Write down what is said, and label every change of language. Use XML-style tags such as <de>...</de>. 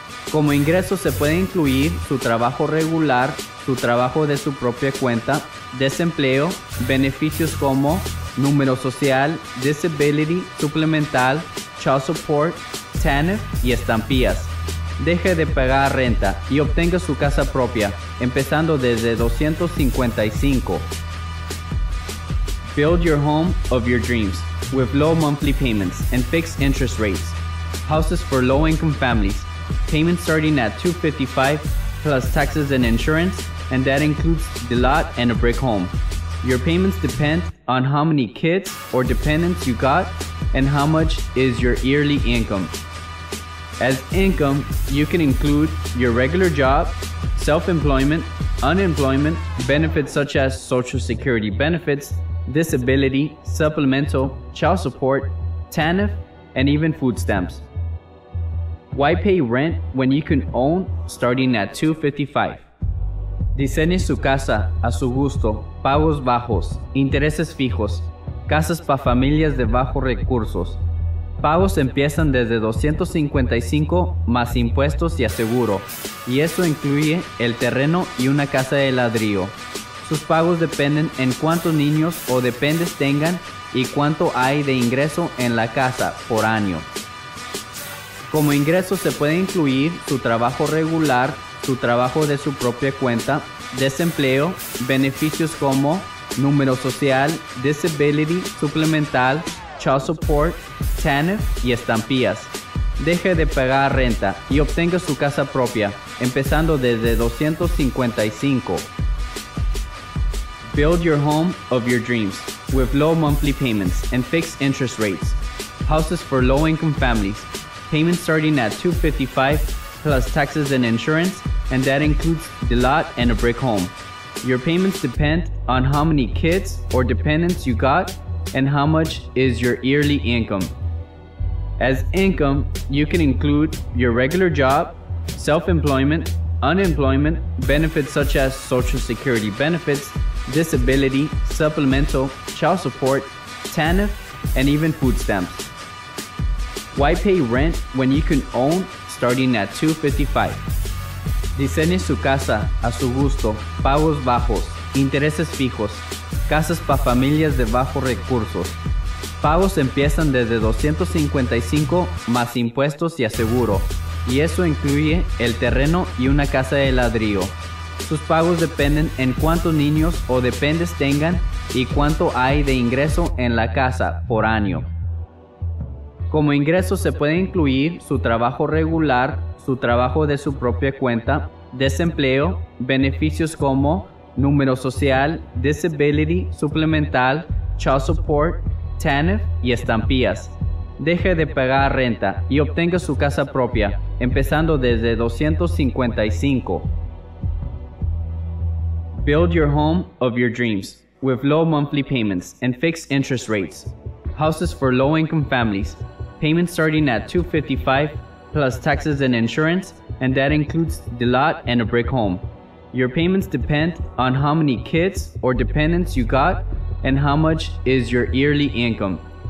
<es>Como ingreso se puede incluir su trabajo regular, su trabajo de su propia cuenta, desempleo, beneficios como número social,</es> <en>disability, supplemental, child support,</en> <es>TANF y estampillas. Deje de pagar renta y obtenga su casa propia, empezando desde $255.</es> <en>Build your home of your dreams with low monthly payments and fixed interest rates. Houses for low-income families. Payments starting at $255 plus taxes and insurance, and that includes the lot and a brick home. Your payments depend on how many kids or dependents you got and how much is your yearly income. As income, you can include your regular job, self-employment, unemployment, benefits such as Social Security benefits, disability, supplemental, child support, TANF, and even food stamps. Why pay rent when you can own starting at $255?</en> <es>Diseñe su casa a su gusto, pagos bajos, intereses fijos, casas para familias de bajos recursos. Pagos empiezan desde $255 más impuestos y aseguro, y eso incluye el terreno y una casa de ladrillo. Sus pagos dependen en cuántos niños o dependientes tengan y cuánto hay de ingreso en la casa por año. Como ingreso se puede incluir su trabajo regular, su trabajo de su propia cuenta, desempleo, beneficios como número social,</es> <en>disability, supplemental, child support,</en> <es>TANF y estampillas. Deje de pagar renta y obtenga su casa propia, empezando desde $255.</es> <en>Build your home of your dreams with low monthly payments and fixed interest rates. Houses for low-income families. Payments starting at $255 plus taxes and insurance, and that includes the lot and a brick home. Your payments depend on how many kids or dependents you got and how much is your yearly income. As income, you can include your regular job, self-employment, unemployment, benefits such as Social Security benefits, disability, supplemental, child support, TANF, and even food stamps. Why pay rent when you can own starting at $255?</en> <es>Diseñe su casa a su gusto, pagos bajos, intereses fijos, casas para familias de bajos recursos. Pagos empiezan desde $255 más impuestos y aseguro, y eso incluye el terreno y una casa de ladrillo. Sus pagos dependen en cuántos niños o dependientes tengan y cuánto hay de ingreso en la casa por año. Como ingreso se puede incluir su trabajo regular, su trabajo de su propia cuenta, desempleo, beneficios como número social,</es> <en>disability, supplemental, child support,</en> <es>TANF y estampillas. Deje de pagar renta y obtenga su casa propia, empezando desde $255.</es> <en>Build your home of your dreams with low monthly payments and fixed interest rates. Houses for low-income families. Payments starting at $255 plus taxes and insurance, and that includes the lot and a brick home. Your payments depend on how many kids or dependents you got and how much is your yearly income.</en>